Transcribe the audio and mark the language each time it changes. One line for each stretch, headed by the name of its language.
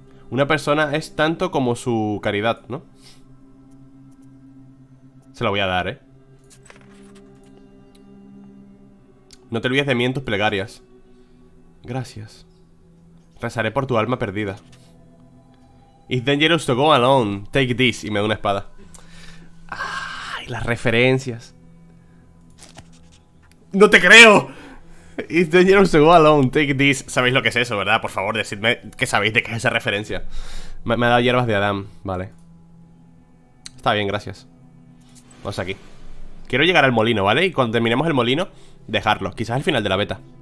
Spanish: Una persona es tanto como su caridad, ¿no? Se la voy a dar, ¿eh? No te olvides de mí en tus plegarias. Gracias. Rezaré por tu alma perdida.
English: It's dangerous to go alone. Take this.
Spanish: Y me da una espada. ¡Ay, las referencias! ¡No te creo!
English: It's dangerous to go alone. Take this.
Spanish: ¿Sabéis lo que es eso, verdad? Por favor, decidme que sabéis de qué es esa referencia. Me ha dado hierbas de Adán. Vale. Está bien, gracias. Vamos aquí. Quiero llegar al molino, ¿vale? Y cuando terminemos el molino, dejarlo. Quizás al final de la beta.